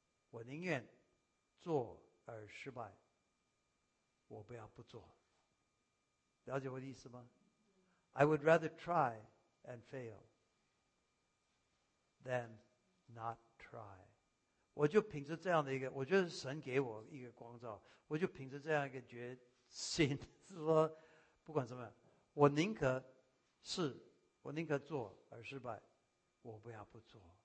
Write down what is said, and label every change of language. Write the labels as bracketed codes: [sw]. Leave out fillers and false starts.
[zh] 我宁愿做而失败，我不要不做。了解我的意思吗 ？ [en] I would rather try and fail than not try。 [zh] 我就凭着这样的一个，我觉得神给我一个光照，我就凭着这样一个决心，是说不管怎么样，我宁可做而失败，我不要不做。